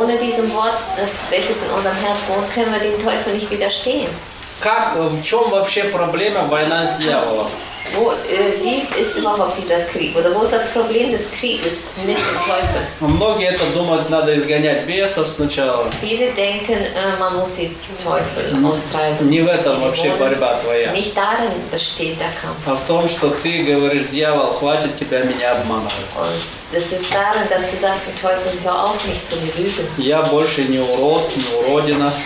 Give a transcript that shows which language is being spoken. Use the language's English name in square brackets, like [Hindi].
[German] Ohne diesem Wort, das welches in unserem Herz wohnt, können wir den Teufel nicht widerstehen. [Russian] Как, в чем вообще проблема война с дьяволом? [German] Wie ist überhaupt dieser Krieg? Oder wo ist das Problem des Krieges mit dem Teufel? [Russian] Многие это думают, надо изгонять бесов сначала. [German] Viele denken, man muss den Teufel austreiben. [Russian] Не в этом вообще борьба твоя. [German] Nicht darin besteht der Kampf. [Russian] А в том, что ты говоришь, дьявол, хватит тебя меня обманывать. [German] Das ist darin, dass du sagst, dem Teufel, hör auf, mich zu belügen. [Russian] Я больше не урод, не уродина.